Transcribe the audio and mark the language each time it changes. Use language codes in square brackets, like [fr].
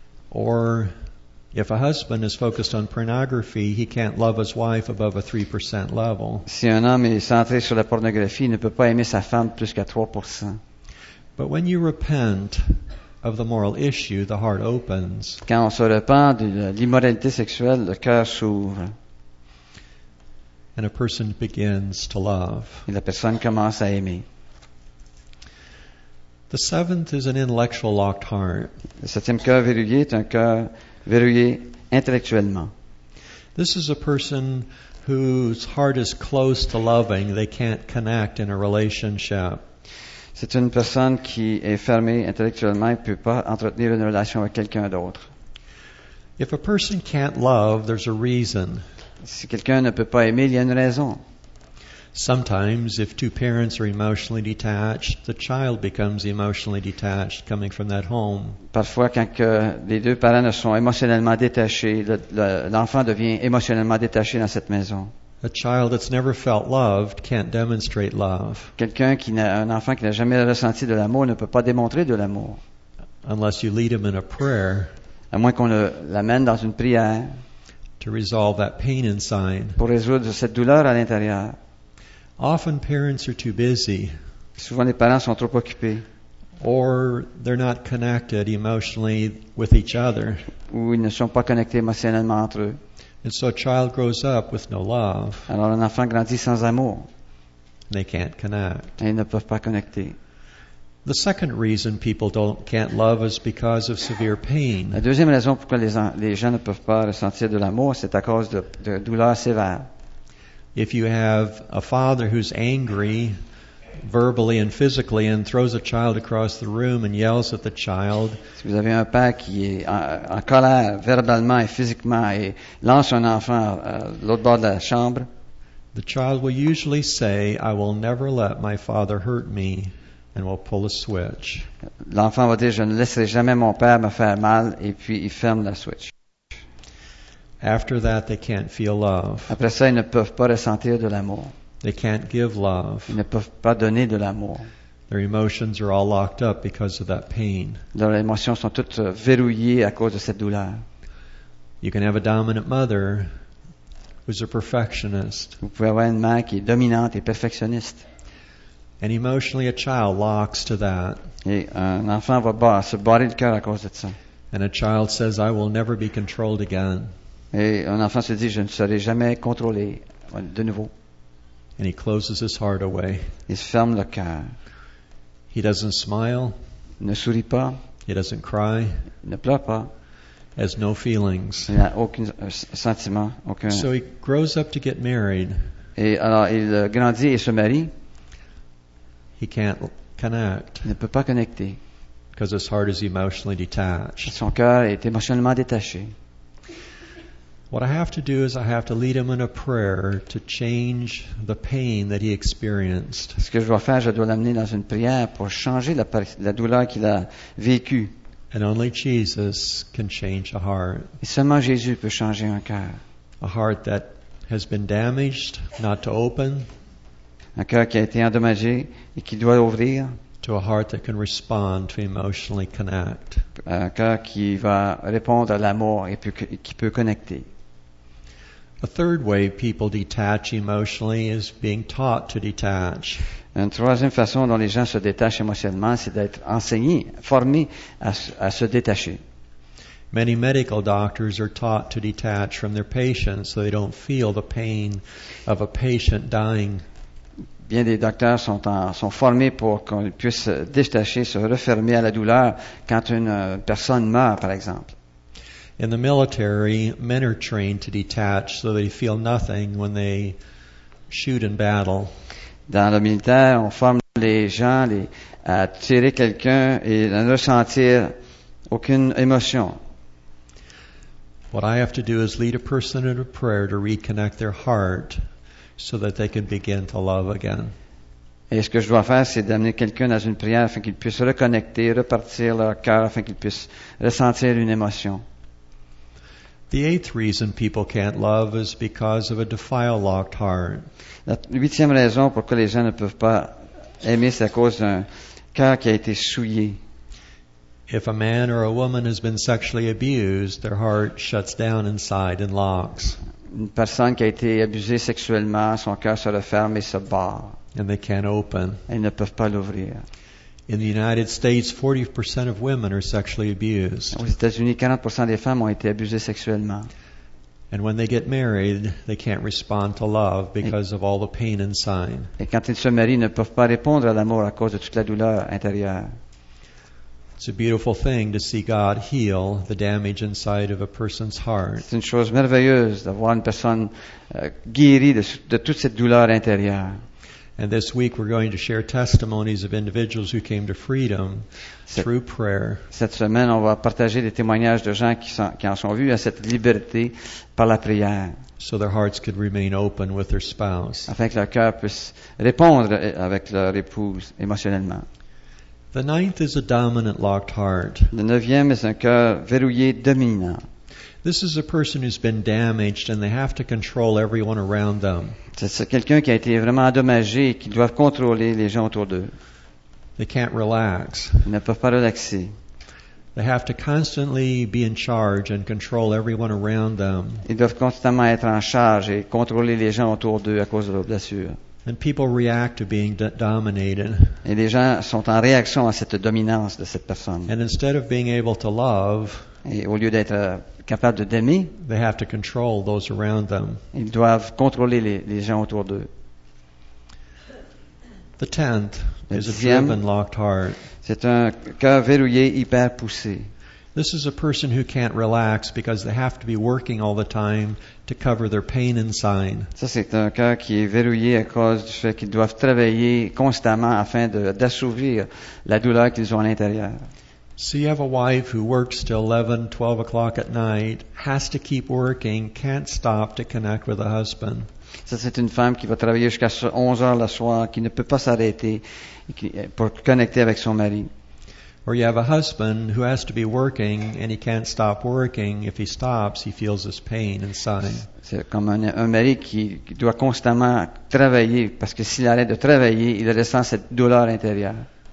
[en] Or if a husband is focused on pornography, he can't love his wife above a 3% level. [fr] Si un homme est centré sur la pornographie, il ne peut pas aimer sa femme plus qu'à 3%. [en] But when you repent of the moral issue, the heart opens. [fr] Quand on se repent de l'immoralité sexuelle, le cœur s'ouvre. [en] And a person begins to love. [fr] Et la personne commence à aimer. [en] The seventh is an intellectual locked heart. [fr] Le septième cœur verrouillé est un cœur verrouillé intellectuellement. [en] This is a person whose heart is close to loving. They can't connect in a relationship. [fr] C'est une personne qui est fermée intellectuellement et ne peut pas entretenir une relation avec quelqu'un d'autre. [en] If a person can't love, there's a reason. [fr] Si quelqu'un ne peut pas aimer, il y a une raison. [en] Sometimes, if two parents are emotionally detached, the child becomes emotionally detached coming from that home. [fr] Parfois, quand les deux parents sont émotionnellement détachés, l'enfant devient émotionnellement détaché dans cette maison. [en] A child that's never felt loved can't demonstrate love. [fr] Un enfant qui n'a jamais ressenti de l'amour ne peut pas démontrer de l'amour. [en] Unless you lead him in a prayer. [fr] À moins qu'on l'amène dans une prière. [en] To resolve that pain inside. [fr] Pour résoudre cette douleur à l'intérieur. [en] Often parents are too busy. [fr] Souvent les parents sont trop occupés. [en] Or they're not connected emotionally with each other. [fr] Ou ils ne sont pas connectés émotionnellement entre eux. [en] And so a child grows up with no love. [fr] Alors un enfant grandit sans amour. [en] They can't connect. [fr] Et ils ne peuvent pas connecter. [en] The second reason people can't love is because of severe pain. [fr] La deuxième raison pourquoi les gens ne peuvent pas ressentir de l'amour, c'est à cause de douleurs sévères. [en] If you have a father who's angry verbally and physically and throws a child across the room and yells at the child. [fr] Si vous avez un père qui est en colère verbalement et physiquement et lance un enfant à l'autre bord de la chambre. [en] The child will usually say, I will never let my father hurt me, and will pull a switch. [fr] L'enfant va dire, je ne laisserai jamais mon père me faire mal, et puis il ferme la switch. [en] After that, they can't feel love. [fr] Après ça, ils ne peuvent pas ressentir de l'amour. [en] They can't give love. [fr] Ils ne peuvent pas donner de l'amour. [en] Their emotions are all locked up because of that pain. [fr] Leurs émotions sont toutes verrouillées à cause de cette douleur. [en] You can have a dominant mother who's a perfectionist. [fr] Vous pouvez avoir une mère qui est dominante et perfectionniste. [en] And emotionally, a child locks to that. [fr] Et un enfant va se barrer le cœur à cause de ça. [en] And a child says, I will never be controlled again. [fr] Et un enfant se dit, je ne serai jamais contrôlé de nouveau. [en] And he closes his heart away. [fr] Il ferme le cœur. [en] He doesn't smile. [fr] Ne sourit pas. [en] He doesn't cry. [fr] Il ne pleure pas. [en] Has no feelings. [fr] Il n'a aucun sentiment. Aucun. [en] So he grows up to get married. [fr] Et alors il grandit et se marie. [en] He can't connect. [fr] Il ne peut pas connecter. [en] Because his heart is emotionally detached. [fr] Son cœur est émotionnellement détaché. [en] What I have to do is I have to lead him in a prayer to change the pain that he experienced. [fr] Ce que je dois faire, je dois l'amener dans une prière pour changer la douleur qu'il a vécue. [en] And only Jesus can change a heart. [fr] Et seulement Jésus peut changer un cœur. [en] A heart that has been damaged, not to open. [fr] Un cœur qui a été endommagé et qui doit ouvrir. [en] To a heart that can respond to emotionally connect. [fr] Un cœur qui va répondre à l'amour et qui peut connecter. [en] A third way people detach emotionally is being taught to detach. [fr] Une troisième façon dont les gens se détachent émotionnellement, c'est d'être enseigné, formé à se détacher. [en] Many medical doctors are taught to detach from their patients so they don't feel the pain of a patient dying. [fr] Bien des docteurs sont formés pour qu'on puisse se détacher, se refermer à la douleur quand une personne meurt, par exemple. [en] In the military, men are trained to detach so they feel nothing when they shoot in battle. [fr] Dans le militaire, on forme les gens, à tirer quelqu'un et ne ressentir aucune émotion. [en] What I have to do is lead a person in a prayer to reconnect their heart so that they can begin to love again. [fr] Et ce que je dois faire, c'est d'amener quelqu'un dans une prière afin qu'il puisse reconnecter, repartir leur cœur, afin qu'il puisse ressentir une émotion. [en] The eighth reason people can't love is because of a defile locked heart. [fr] La huitième raison pourquoi les gens ne peuvent pas aimer, c'est à cause d'un cœur qui a été souillé. [en] If a man or a woman has been sexually abused, their heart shuts down inside and locks. [fr] Une personne qui a été abusée sexuellement, son cœur se referme et se barre. [en] And they can't open. [fr] Ils ne peuvent pas l'ouvrir. [en] In the United States, 40% of women are sexually abused. [fr] Aux États-Unis, 40% des femmes ont été abusées sexuellement. [en] And when they get married, they can't respond to love because of all the pain inside. [fr] Et quand ils se marient, ils ne peuvent pas répondre à l'amour à cause de toute la douleur intérieure. [en] It's a beautiful thing to see God heal the damage inside of a person's heart. [fr] C'est une chose merveilleuse de voir une personne guérie de toute cette douleur intérieure. [en] And this week we're going to share testimonies of individuals who came to freedom through prayer. [fr] Cette semaine, on va partager des témoignages de gens qui en sont venus à cette liberté par la prière. [en] So their hearts could remain open with their spouse. [fr] Afin que leur cœur puisse répondre avec leur épouse émotionnellement. [en] The ninth is a dominant locked heart. [fr] Le neuvième est un cœur verrouillé dominant. [en] This is a person who's been damaged and they have to control everyone around them. [fr] C'est quelqu'un qui a été vraiment endommagé et qui doit contrôler les gens autour d'eux. [en] They can't relax. [fr] Ils ne peuvent pas relaxer. [en] They have to constantly be in charge and control everyone around them. [fr] Ils doivent constamment être en charge et contrôler les gens autour d'eux à cause de leurs blessures. [en] And people react to being dominated. [fr] Et les gens sont en réaction à cette dominance de cette personne. [en] And instead of being able to love, [fr] et au lieu d'être capable de d'aimer, [en] they have to control those around them. [fr] Ils doivent contrôler les gens autour d'eux. [en] The tenth [fr] le [en] is a driven, locked heart. [fr] C'est un cœur verrouillé hyper poussé. [en] This is a person who can't relax because they have to be working all the time to cover their pain inside. [fr] Ça, c'est un cœur qui est verrouillé à cause du fait qu'ils doivent travailler constamment afin d'assouvir la douleur qu'ils ont à l'intérieur. [en] So you have a wife who works till 11, 12 o'clock at night, has to keep working, can't stop to connect with a husband. [fr] Ça, c'est une femme qui va travailler jusqu'à 11 heures le soir, qui ne peut pas s'arrêter pour connecter avec son mari. [en] Or you have a husband who has to be working and he can't stop working. If he stops, he feels this pain inside. [fr] C'est comme un mari qui doit constamment travailler parce que s'il arrête de travailler, il ressent cette douleur intérieure.